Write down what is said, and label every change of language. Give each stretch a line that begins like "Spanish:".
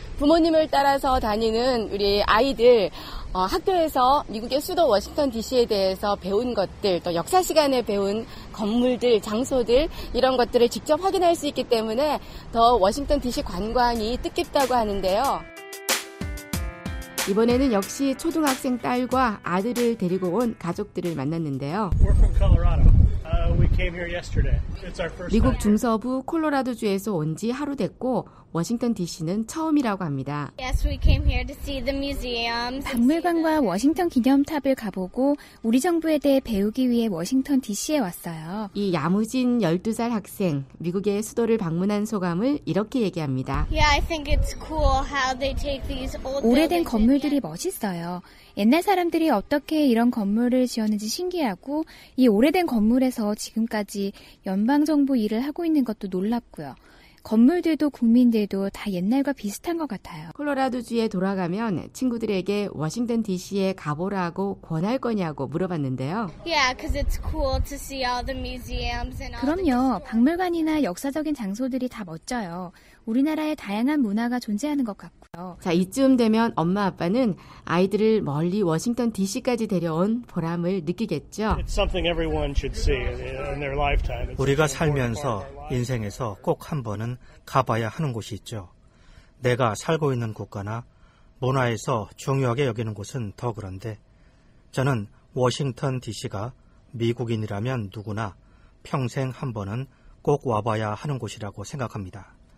Korean: 부모님을 따라서 다니는 우리 아이들 학교에서 미국의 수도 워싱턴 DC에 대해서 배운 것들, 또 역사 시간에 배운 건물들, 장소들 이런 것들을 직접 확인할 수 있기 때문에 더 워싱턴 DC 관광이 뜻깊다고 하는데요. 이번에는 역시 초등학생 딸과 아들을 데리고 온 가족들을 만났는데요.
English: We're from Colorado. We came here yesterday. It's our first time.
Korean: 미국 중서부 콜로라도주에서 온 지 하루 됐고 워싱턴 DC는 처음이라고 합니다.
English: Yes, we came here to see the museum.
Korean: 박물관과 워싱턴 기념탑을 가보고 우리 정부에 대해 배우기 위해 워싱턴 DC에 왔어요. 이 야무진 12살 학생, 미국의 수도를 방문한 소감을 이렇게 얘기합니다.
English: Yeah, I think it's cool how they take these old
Korean: 오래된 건물들이 멋있어요. 옛날 사람들이 어떻게 이런 건물을 지었는지 신기하고 이 오래된 건물에서 지금까지 연방정부 일을 하고 있는 것도 놀랍고요. 건물들도 국민들도 다 옛날과 비슷한 것 같아요. 콜로라도주에 돌아가면 친구들에게 워싱턴 DC에 가보라고 권할 거냐고 물어봤는데요.
English: Yeah, because it's cool to see all the museums and all
Korean: 그럼요.
English: The
Korean: 박물관이나 역사적인 장소들이 다 멋져요. 우리나라의 다양한 문화가 존재하는 것 같고요. 자, 이쯤 되면 엄마 아빠는 아이들을 멀리 워싱턴 DC까지 데려온 보람을 느끼겠죠.
English: It's something everyone should see in their lifetime.
Korean: 우리가 살면서 인생에서 꼭 한 번은 가봐야 하는 곳이 있죠. 내가 살고 있는 국가나 문화에서 중요하게 여기는 곳은 더 그런데 저는 워싱턴 DC가 미국인이라면 누구나 평생 한 번은 꼭 와봐야 하는 곳이라고 생각합니다.